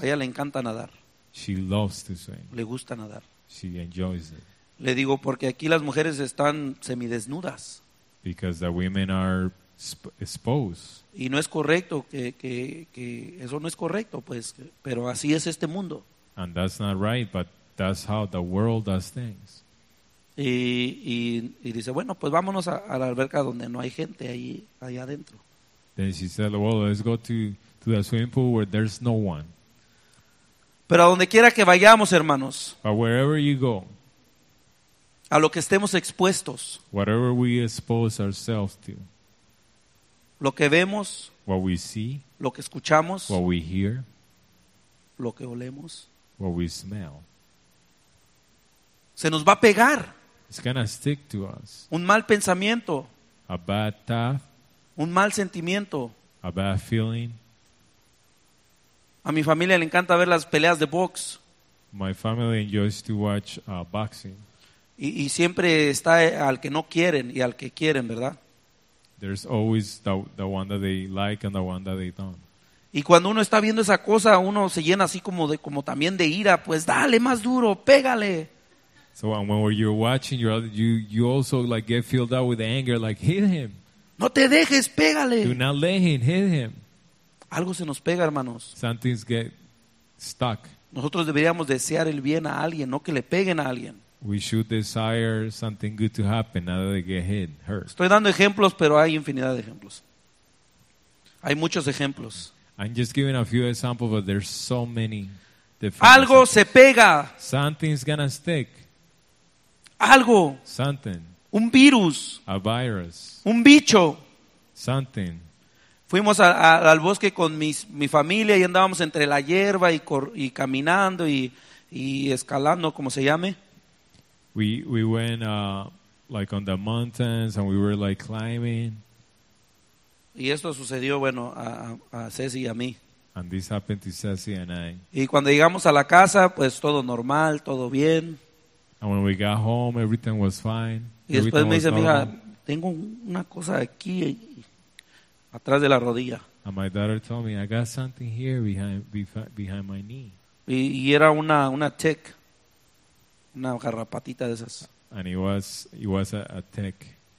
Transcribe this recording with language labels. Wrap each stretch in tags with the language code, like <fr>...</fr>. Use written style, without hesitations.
<es>A ella le encanta nadar.</es> <en>She loves to swim.</en> <es>Le gusta nadar.</es> <en>She enjoys it.</en> <es>Le digo, porque aquí las mujeres están semidesnudas.</es> <en>Because the women are exposed.</en> <es>Y no es correcto que eso no es correcto, pues, pero así es este mundo.</es> <en>And that's not right, but that's how the world does things.</en> <es>Y dice, bueno, pues vámonos a la alberca donde no hay gente ahí allá adentro.</es> <en>Then she said, well, let's go to the swimming pool where there's no one.</en> <es>Pero a donde quiera que vayamos, hermanos.</es> <en>But wherever you go.</en> <es>A lo que estemos expuestos.</es> <en>Whatever we expose ourselves to.</en> <es>Lo que vemos.</es> <en>What we see.</en> <es>Lo que escuchamos.</es> <en>What we hear.</en> <es>Lo que olemos.</es> <en>What we smell.</en> <es>Se nos va a pegar.</es> <en>It's gonna stick to us.</en> <es>Un mal pensamiento.</es> <en>A bad thought.</en> <es>Un mal sentimiento.</es> <en>A bad feeling.</en> <es>A mi familia le encanta ver las peleas de box.</es> <en>My family enjoys to watch boxing.</en> <es>Y siempre está al que no quieren y al que quieren, ¿verdad?</es> <en>There's always the one that they like and the one that they don't.</en> <es>Y cuando uno está viendo esa cosa, uno se llena así como también de ira. Pues dale más duro, pégale.</es> <en>So and when you're watching, you also like get filled up with anger, like hit him.</en> <es>No te dejes, pégale.</es> <en>Do not let him hit him.</en> <es>Algo se nos pega, hermanos.</es> <en>Something's get stuck.</en> <es>Nosotros deberíamos desear el bien a alguien, no que le peguen a alguien.</es> <en>We should desire something good to happen, not that they get hit, hurt.</en> <es>Estoy dando ejemplos, pero hay infinidad de ejemplos. Hay muchos ejemplos.</es> <en>I'm just giving a few examples, but there's so many.</en> <es>Algo se pega.</es> <en>Something's gonna stick.</en> <es>Algo.</es> <en>Something.</en> <es>Un virus.</es> <en>A virus.</en> <es>Un bicho.</es> <en>Something.</en> <es>Fuimos al bosque con mi familia y andábamos entre la hierba y caminando y escalando, como se llame.</es> <en>We went like on the mountains and we were like climbing.</en> <es>Y esto sucedió, bueno, a Ceci y a mí.</es> <en>And this happened to Ceci and I.</en> <es>Y cuando llegamos a la casa, pues todo normal, todo bien.</es> <en>And when we got home, everything was fine.</en> <es>Y después me dice, mija, tengo una cosa aquí atrás de la rodilla.</es> <en>And my daughter told me, I got something here behind my knee.</en> <es>Y era una tick, una garrapatita de esas.</es> <en>And it was a tick.</en>